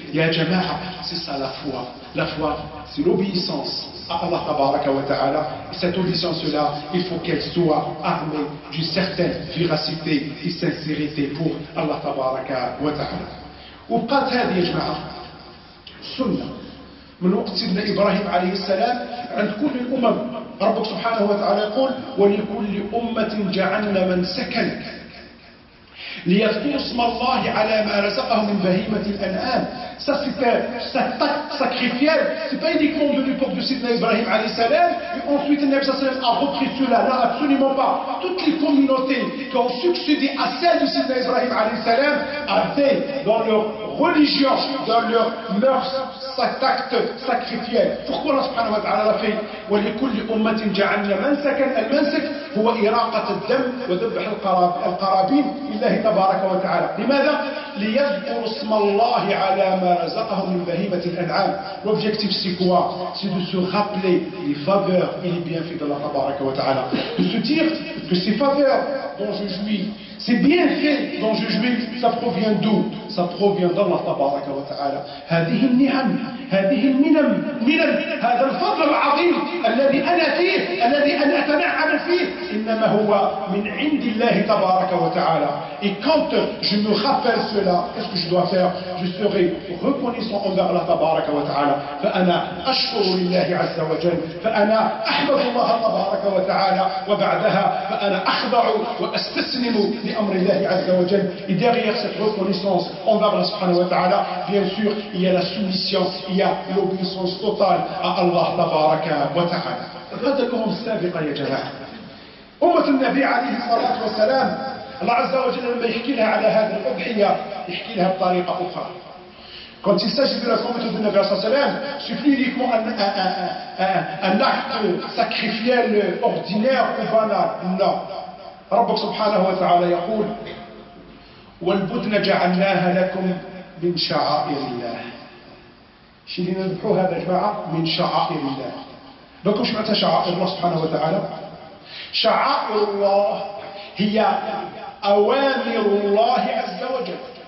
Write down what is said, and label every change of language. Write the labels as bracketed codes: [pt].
[fr] Ya Jama'a, c'est ça la foi. La foi, c'est l'obéissance à Allah tabaraka wa ta'ala. Et cette obéissance-là, il faut qu'elle soit armée d'une certaine véracité et sincérité pour Allah tabaraka wa ta'ala. Ou pas tel, ya Jama'a, sunnah. [ar] من وقت سيدنا إبراهيم عليه السلام عند كل الأمم ربك سبحانه وتعالى يقول ولكل أمة جعلنا من سكن ليذكروا اسم الله على ما رزقهم من بهيمة الأنعام. [fr] Ça c'est un sacrifié, c'est pas uniquement de l'époque de Sidna Ibrahim alayhi salam, et ensuite Nabi sallallahu alayhi wa sallam a repris cela, là absolument pas. Toutes les communautés qui ont succédé à celle de Sidna Ibrahim alayhi salam avaient dans leur religion, dans leur mœurs, cet acte sacrifié. Pourquoi Allah subhanahu wa ta'ala l'a fait? [ar] Wa li kulli ummatin ja'alna mansakan, al-mansak huwa iraqat al-dam wa dhabh al-qarabin lillahi tabaraka wa ta'ala. Limadha? ليذكر اسم الله على ما رزقهم من بهيمة الأنعام. [fr] L'objectif c'est quoi? C'est de se rappeler les faveurs et les bienfaits de Allah tabaraka wa ta'ala. De se dire que ces faveurs dont je jouis, ces bienfaits dont je jouis, ça provient d'où? Ça provient d'Allah tabaraka wa ta'ala. [ar] هذه النعم هذه المنم مؤمنا هذا الفضل العظيم الذي أنا فيه الذي أنا أتنعم فيه إنما هو من عند الله تبارك وتعالى. [fr] Et quand je me rappelle cela, qu'est-ce que je dois faire? Je serai reconnaissant envers Allah تبارك وتعالى. [ar] فأنا أشكر لله عز وجل. فأنا أحمد الله تبارك وتعالى. وبعدها فأنا أخضع وأستسلم لأمر الله عز وجل. [fr] Et derrière cette reconnaissance envers Allah سبحانه وتعالى, bien sûr, il y a la soumission, il y a l'obéissance totale à Allah تبارك وتعالى. [ar] غدكم السابقة يا جماعة. أمة النبي عليه الصلاة والسلام. الله عز وجل لما يحكي لها على هذه الأضحية يحكي لها بطريقة أخرى. [fr] Quand il s'agit de la communauté de Nabi sallallahu alayhi wa sallam, suffit uniquement un acte sacrificiel ordinaire ou banal. Non. [ar] ربك سبحانه وتعالى يقول والبدن جعلناها لكم من شعائر الله. شيرين نذبحوها يا جماعة من شعائر الله. لكم شو معناتها شعائر الله سبحانه وتعالى؟ شعائر الله هي أوامر الله عز وجل.